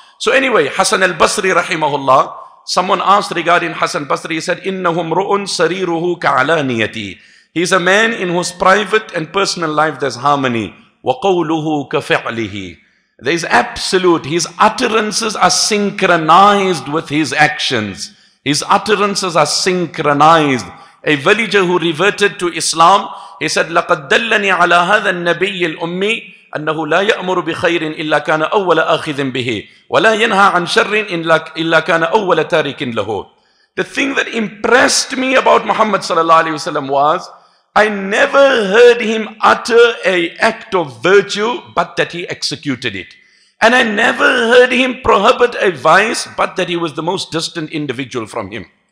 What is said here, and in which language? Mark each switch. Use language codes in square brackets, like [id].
[en] So anyway, Hasan al-Basri rahimahullah, someone asked regarding Hasan al-Basri, he said, [ar] innahum ru'un sariruhu ka'alaniyati. [en] He's a man in whose private and personal life there's harmony. [ar] وَقَوْلُهُ كَفِعْلِهِ. [en] There is absolute, his utterances are synchronized with his actions. His utterances are synchronized. A villager who reverted to Islam, he said, [ar] لَقَدْ دَلَّنِي عَلَى هَذَا النَّبِيِّ الْأُمِّي أَنَّهُ لَا يَأْمُرُ بِخَيْرٍ إِلَّا كَانَ أَوَّلَ آخِذٍ بِهِ وَلَا يَنْهَى عَنْ شَرٍ إِلَّا كَانَ أَوَّلَ تَارِكٍ لَهُ. [en] The thing that impressed me about Muhammad sallallahu alaihi wasallam was, I never heard him utter an act of virtue but that he executed it. And I never heard him prohibit a vice but that he was the most distant individual from him.